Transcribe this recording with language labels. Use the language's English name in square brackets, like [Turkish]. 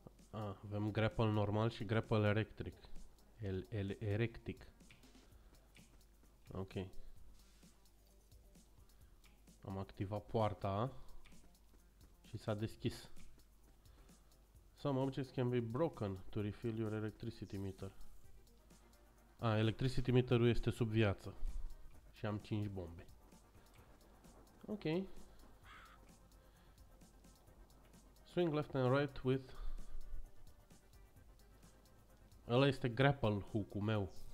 [Romanian] Avem grapple normal și grapple electric. Electric. Ok. Am activat poarta și s-a deschis. [English] Some objects can be broken to refill your electricity meter. [Romanian] Electricity meter-ul este sub viață. Și am 5 bombe. Ok. [English] Swing left and right with... [Romanian] ăla este grapple hook-ul meu.